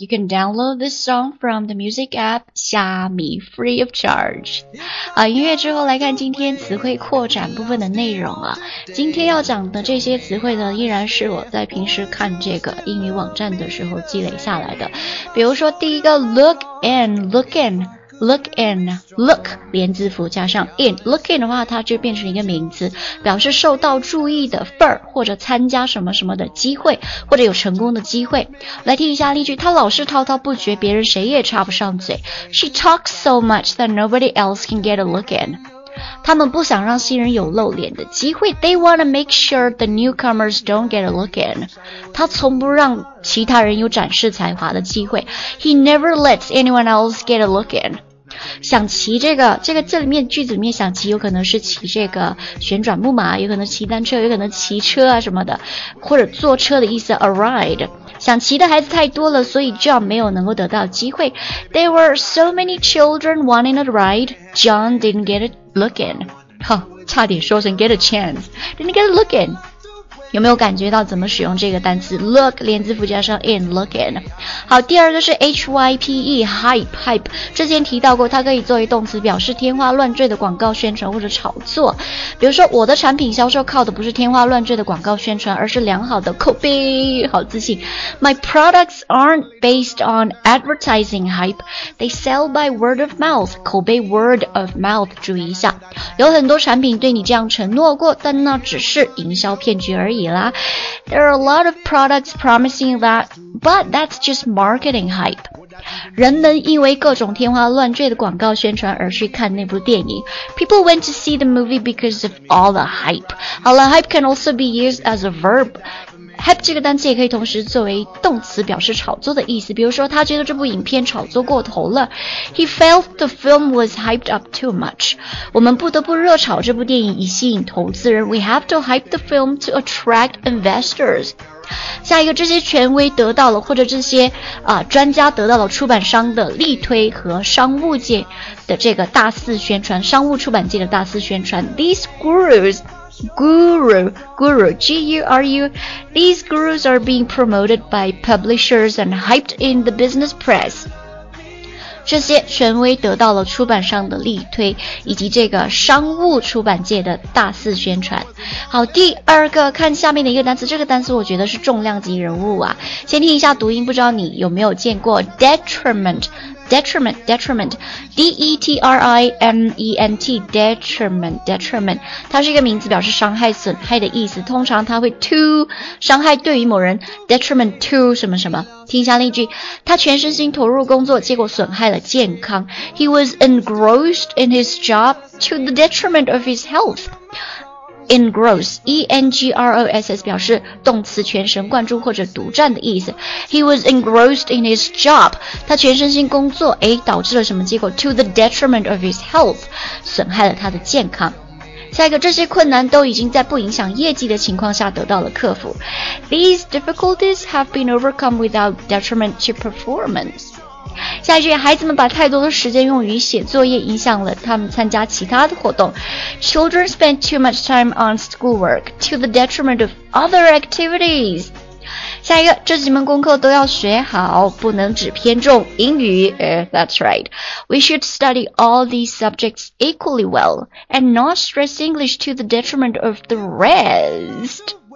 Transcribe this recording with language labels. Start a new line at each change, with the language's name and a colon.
English: You can download this song from the music app Xiaomi free of charge.
Chinese: 音乐之后来看今天词汇扩展部分的内容啊。今天要讲的这些词汇呢，依然是我在平时看这个英语网站的时候积累下来的。比如说第一个 look in, look in, look in, look 连字符加上 in, look in 的话它就变成一个名词，表示受到注意的份儿，或者参加什么什么的机会，或者有成功的机会。来听一下例句，他老是滔滔不绝，别人谁也插不上嘴。
English: She talks so much that nobody else can get a look in.
Chinese: 他们不想让新人有露脸的机会。
English: They want to make sure the newcomers don't get a look in.
Chinese: 他从不让其他人有展示才华的机会。
English: He never lets anyone else get a look in.
Chinese: 想骑这个这里面句子里面想骑有可能是骑这个旋转木马，有可能骑单车，有可能骑车啊什么的，或者坐车的意思
English: a ride。
Chinese: 想骑的孩子太多了，所以 John 没有能够得到机会。
English: There were so many children wanting a ride, John didn't get a look in.
Chinese: 哈，差点说成
English: get a chance, didn't get a look in.
Chinese: 有没有感觉到怎么使用这个单词 look 连字符加上 in, look in. 好，第二个是 hype, hype, 之前提到过它可以作为动词表示天花乱坠的广告宣传或者炒作。比如说我的产品销售靠的不是天花乱坠的广告宣传，而是良好的口碑，好自信。
English: My products aren't based on advertising hype, they sell by word of mouth, 口碑 word of mouth, 注意一下。
Chinese: 有很多产品对你这样承诺过，但那只是营销骗局而已啦。
English: There are a lot of products promising that, but that's just marketing hype.
Chinese: 人们因为各种天花乱坠的广告宣传而去看那部电影。
English: People went to see the movie because of all the hype. 好了， hype can also be used as a verb.
Chinese: Hype 这个单词也可以同时作为动词表示炒作的意思。比如说他觉得这部影片炒作过头了。
English: He felt the film was hyped up too much.
Chinese: 我们不得不热炒这部电影以吸引投资人。
English: We have to hype the film to attract investors.
Chinese: 下一个，这些权威得到了，或者这些专家得到了出版商的力推和商务界的这个大肆宣传，商务出版界的大肆宣传。
English: These gurus, guru, guru, G-U-R-U, these gurus are being promoted by publishers and hyped in the business press.
Chinese: 这些权威得到了出版商的力推，以及这个商务出版界的大肆宣传。好，第二个，看下面的一个单词，这个单词我觉得是重量级人物啊。先听一下读音，不知道你有没有见过 detriment。
English: Detriment, detriment, D-E-T-R-I-M-E-N-T, detriment, detriment.
Chinese: 它是一个名词，表示伤害、损害的意思。通常它会 to 伤害对于某人 ，detriment to 什么什么。听一下例句：他全身心投入工作，结果损害了健康。
English: He was engrossed in his job to the detriment of his health.
Chinese: Engross, E-N-G-R-O-S-S 表示动词全神贯注或者独占的意思。
English: He was engrossed in his job,
Chinese: 他全身心工作，诶，导致了什么结果？
English: To the detriment of his health,
Chinese: 损害了他的健康。下一个，这些困难都已经在不影响业绩的情况下得到了克服。
English: These difficulties have been overcome without detriment to performance.
Chinese: 下一句，孩子们把太多的时间用于写作业，影响了他们参加其他的活动。
English: Children spend too much time on schoolwork to the detriment of other activities.
Chinese: 下一个，这几门功课都要学好，不能只偏重英语。
English: That's right. We should study all these subjects equally well and not stress English to the detriment of the rest.